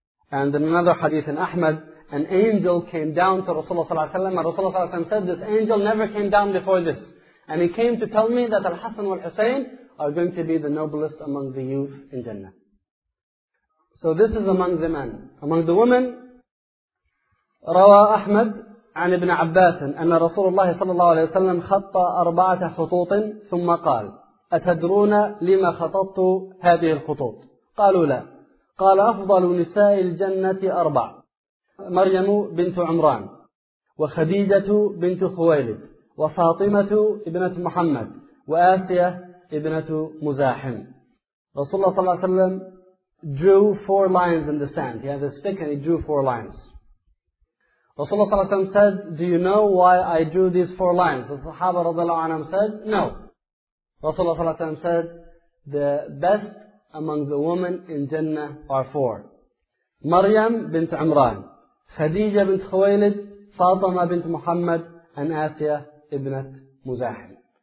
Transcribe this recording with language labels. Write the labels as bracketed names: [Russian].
[English] And in another hadith in Ahmad, an angel came down to Rasulullah ﷺ, and Rasulullah ﷺ said, this angel never came down before this. And he came to tell me that Al-Hasan and Al-Husayn are going to be the noblest among the youth in Jannah. So this is among the men. Among the women, [Arabic] Rawa Ahmad عن ابن عباس أن رسول الله صلى الله عليه وسلم خط أربعة خطوط ثم قال أتدرون لما خططت هذه الخطوط؟ قالوا لا. قال أفضل نساء الجنة أربع: مريم بنت عمران، وخديجة بنت خويلد، وفاطمة ابنة محمد، وآسية ابنة مزاحم. رسول الله صلى الله عليه وسلم [English] drew four lines in the sand. He had a stick and he drew four lines. Rasulullah ﷺ said, do you know why I drew these four lines? The Sahaba radiallahu anhu said, no. Rasulullah ﷺ said, the best among the women in Jannah are four: Maryam bint Imran, Khadija bint Khuwaylid, Fatima bint Muhammad, and Asiya ibnat Muzahim.